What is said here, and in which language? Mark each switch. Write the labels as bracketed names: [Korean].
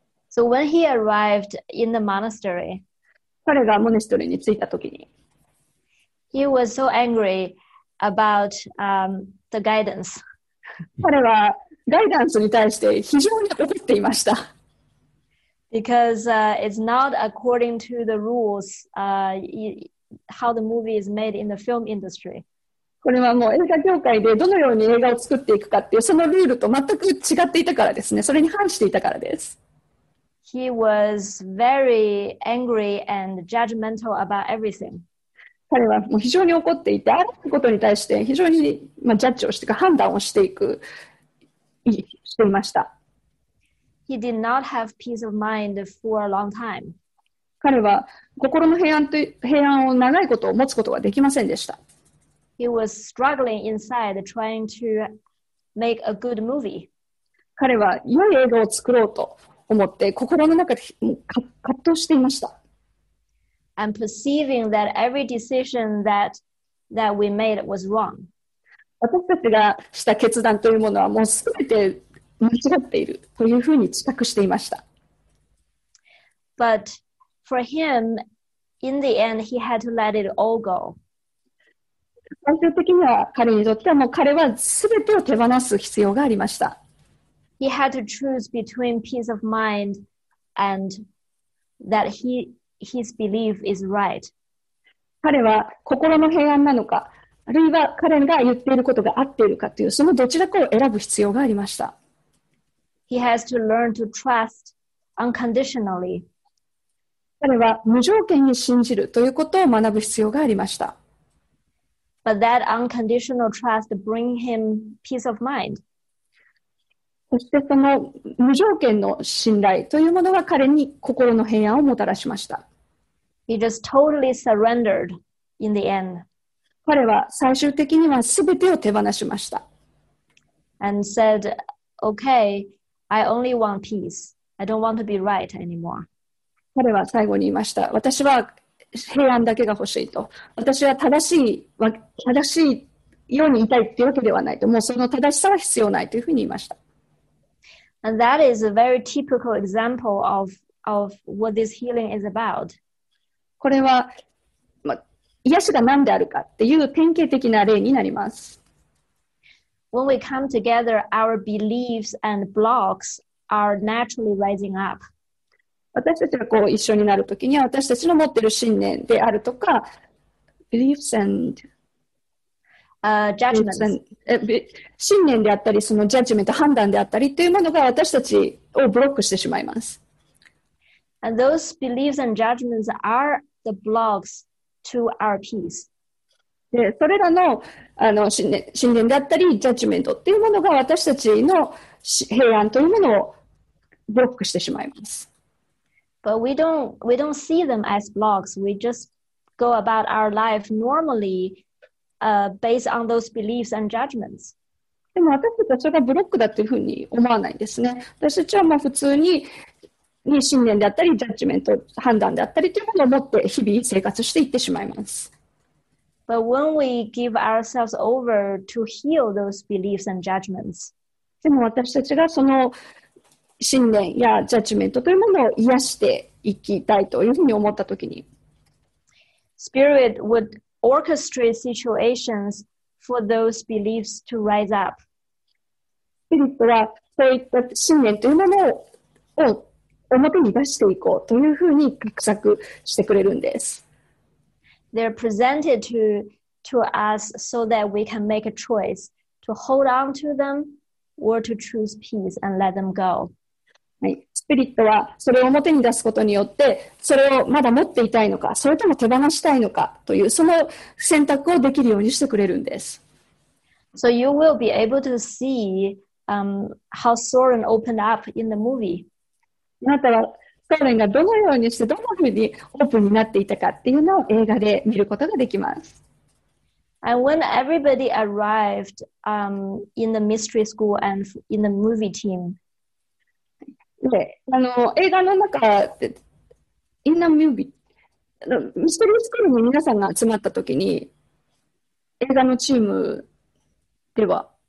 [English] So when he arrived in the monastery, [Japanese] 彼がモネストリーに着いたときに、 [English] he was so angryAbout the guidance. [Japanese] 彼はガイダンスに対して非常に怒っていました。 [English] Because it's not according to the rules how the movie is made in the film industry. [Japanese] これはもう映画業界でどのように映画を作っていくかっていうそのルールと全く違っていたからですね。それに反していたからです。 [English] He was very angry and judgmental about everything. [Japanese] 彼はもう非常に怒っていて、あることに対して非常に、まあ、ジャッジをしていく、判断をしていく、していました。 [English] He did not have peace of mind for a long time. [Japanese] 彼は心の平安を長いことを持つことができませんでした。 [English] He was struggling inside trying to make a good movie. [Japanese] 彼は良い映画を作ろうと思って、心の中で葛藤していました。 [English] And perceiving that every decision that we made was wrong. [Japanese] 私たちがした決断というものはもうすべて間違っているというふうに自覚していました。 [English] But for him, in the end, he had to let it all go. [Japanese] 最終的には彼にとってはもう彼はすべてを手放す必要がありました。 [English] He had to choose between peace of mind and that his belief is right. [Japanese] 彼は心の平安なのか、あるいは彼が言っていることが合っているかという、そのどちらかを選ぶ必要がありました。 [English] He has to learn to trust unconditionally. [Japanese] 彼は無条件に信じるということを学ぶ必要がありました。 [English] But that unconditional trust bring him peace of mind. [Japanese] そしてその無条件の信頼というものが彼に心の平安をもたらしました。 [English] He just totally surrendered in the end. [Japanese] 彼は最終的には全てを手放しました。 [English] And said, okay, I only want peace. I don't want to be right anymore. [Japanese] 彼は最後に言いました。私は平安だけが欲しいと。私は正しいようにいたいというわけではないと。もうその正しさは必要ないというふうに言いました。 [English] And that is a very typical example of what this healing is about. [Japanese] これは、癒しが何であるかっていう典型的な例になります。 [English] When we come together, our beliefs and blocks are naturally rising up. [Japanese] 私たちがこう一緒になるときには、私たちの持っている信念であるとか、 [English] beliefs and judgments. [Japanese] And, 信念であったり、そのジャッジメント、判断であったりというものが私たちをブロックしてしまいます。 [English] And those beliefs and judgments are the blocks to our peace. [Japanese] でそれら の信念だったり、ジャッジメントっていうものが私たちの平安というものをブロックしてしまいます。 [English] But we don't see them as blocks. We just go about our life normally, based on those beliefs and judgments. [Japanese] でも私たちはそれがブロックだというふうに思わないんですね。私たちはもう普通に、信念だったり、ジャッジメント、判断だったりというものを持って日々生活していってしまいます。 [English] But when we give ourselves over to heal those beliefs and judgments, [Japanese] でも私たちがその信念やジャッジメントというものを癒していきたいというふうに思ったときに、 [English] Spirit would orchestrate situations for those beliefs to rise up. [Japanese] スピリットはそういった信念というものを表に出していこうというふうに画策してくれるんです。 [English] They're presented to us so that we can make a choice to hold on to them or to choose peace and let them go. [Japanese] はい、スピリットはそれを表に出すことによって、それをまだ持っていたいのか、それとも手放したいのかというその選択をできるようにしてくれるんです。 [English] So you will be able to see, how Soren opened up in the movie. [Japanese] ソーレンがどのようにしてどのようにオープンになっていたかっていうのを映画で見ることができます。 [English] And when everybody arrived, in the mystery school and in the movie team, [Japanese] で、映画の中で、 [English] in the movie、 [Japanese] ミステリースクールに皆さんが集まったときに、映画のチームでは、